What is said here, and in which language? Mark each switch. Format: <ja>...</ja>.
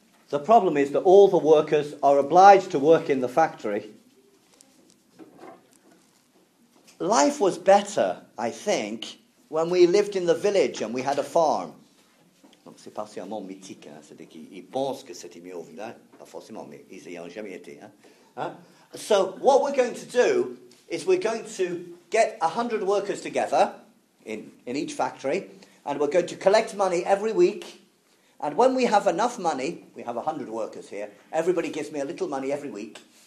<en>The problem is that all the workers are obliged to work in the factory. Life was better, I think, when we lived in the village and we had a farm.</en> <fr>Donc c'est partiellement mythique, hein? C'est-à-dire qu'ils pensent que c'était mieux au village. Pas forcément, mais ils n'y ont jamais été. Hein? Hein?</fr> <en>So what we're going to do is we're going to get 100 workers together in each factory, and we're going to collect money every week. And when we have enough money, we have 100 workers here, everybody gives me a little money every week.</en>